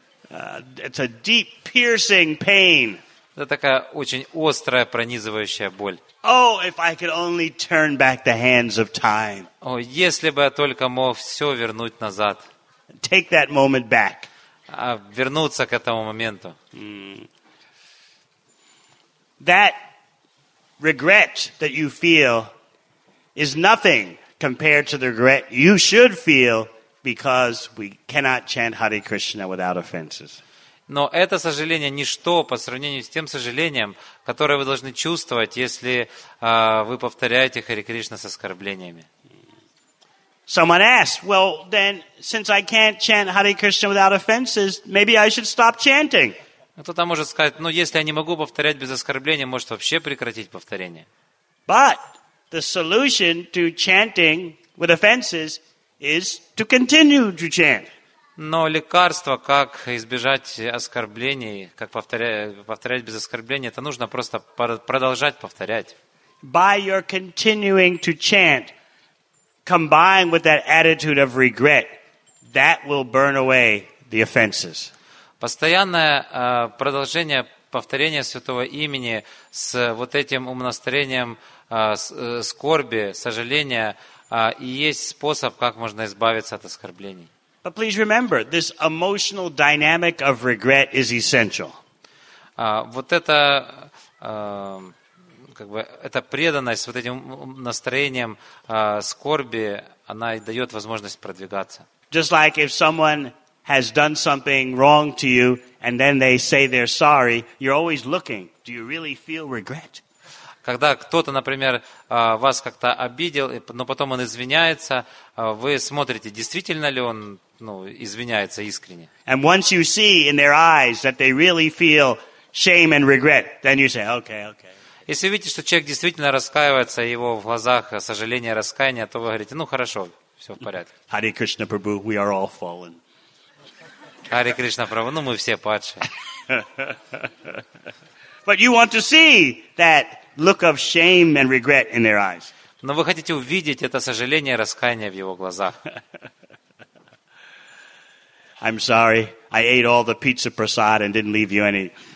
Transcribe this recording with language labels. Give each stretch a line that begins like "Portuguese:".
English: It's a deep, piercing pain.
Russian: Это такая очень острая, пронизывающая боль.
English: Oh, if I could only turn back the hands of time.
Russian: О, если бы я только мог все вернуть назад.
English: Take that moment back.
Russian: Вернуться к этому моменту.
English: That regret that you feel is nothing compared to the regret you should feel because we cannot chant Hare Krishna without offenses.
Russian: Но это сожаление ничто по сравнению с тем сожалением, которое вы должны чувствовать, если вы повторяете Хари Кришна с оскорблениями.
English: Someone asked, well, then, since I can't chant Hare Krishna without offenses, maybe I should stop chanting.
Russian: Кто-то может сказать, ну, если я не могу повторять без оскорблений, может вообще прекратить повторение.
English: But the solution to chanting with offenses is to continue to chant.
Russian: Но лекарство, как избежать оскорблений, как повторять без оскорблений, это нужно просто продолжать повторять.
English: By your continuing to chant, combined with that attitude of regret, that will burn away the offenses.
Russian: Постоянное продолжение повторения святого имени с вот этим умонастроением скорби, сожаления, и есть способ, как можно избавиться от оскорблений.
English: But please remember, this emotional dynamic of regret is essential.
Russian: Вот это, как бы, эта преданность, вот этим настроением скорби, она и дает возможность продвигаться.
English: Just like if someone has done something wrong to you, and then they say they're sorry, you're always looking. Do you really feel regret?
Russian: Когда кто-то, например, вас как-то обидел, но потом он извиняется, вы смотрите, действительно ли он, ну, извиняется искренне.
English: And once you see in their eyes that they really feel shame and regret, then you say, okay.
Russian: Если видите, что человек действительно раскаивается, его в глазах сожаление, раскаяние, то вы говорите, ну хорошо, все в порядке.
English: Hare Krishna Prabhu, we are all fallen.
Russian: Hare Krishna Prabhu, ну мы все падшие.
English: But you want to see that look of shame and regret in their eyes.
Russian: Но вы хотите увидеть это сожаление, раскаяние в его глазах.
English: I'm sorry. I ate all the pizza prasad and didn't leave you any.